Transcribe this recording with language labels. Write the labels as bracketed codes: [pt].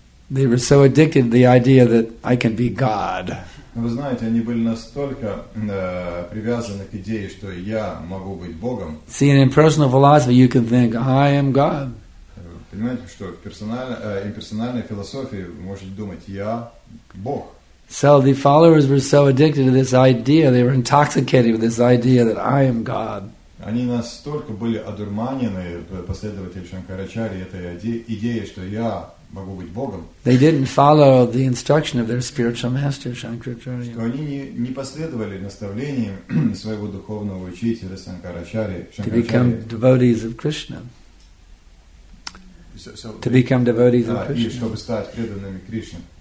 [en] They were so addicted to the idea that I can be God. [ru] Вы знаете, они были настолько привязаны к идее, что я могу быть Богом. [en] See, in impersonal philosophy, you can think, I am God. [ru] Понимаете, что в имперсональной философии вы можете думать, я Бог. [en] So the followers were so addicted to this idea, they were intoxicated with this idea that I am God. [ru] Они настолько были одурманены последователи Шанкарачарьи этой идеей, что я могу быть Богом. [en] They didn't follow the instruction of their spiritual master Shankaracharya. [ru] Что они не последовали наставлениям своего духовного учителя Шанкарачарьи. [en] To become devotees of Krishna. To become devotees of Krishna. [ru] Чтобы стать преданными Кришне.